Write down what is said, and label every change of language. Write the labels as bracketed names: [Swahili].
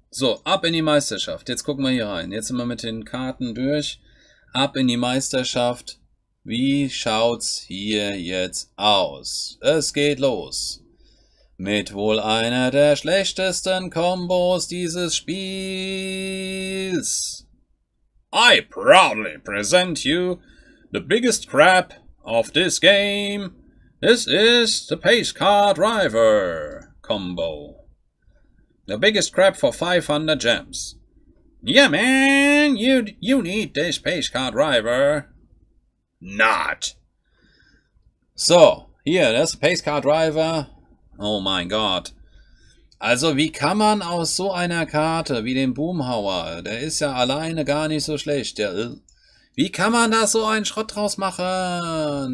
[German] So, ab in die Meisterschaft. Jetzt gucken wir hier rein. Jetzt sind wir mit den Karten durch. Ab in die Meisterschaft. Wie schaut's hier jetzt aus? Es geht los. Mit wohl einer der schlechtesten Kombos dieses Spiels. [English] I proudly present you the biggest crap of this game. This is the Pace Car Driver Combo. The biggest crap for 500 gems. Yeah, man, you need this pace car driver. Not. [German] So, hier, das ist Pace Car Driver. Oh mein Gott. Also, wie kann man aus so einer Karte wie dem Boomhauer, der ist ja alleine gar nicht so schlecht, der, wie kann man da so einen Schrott draus machen?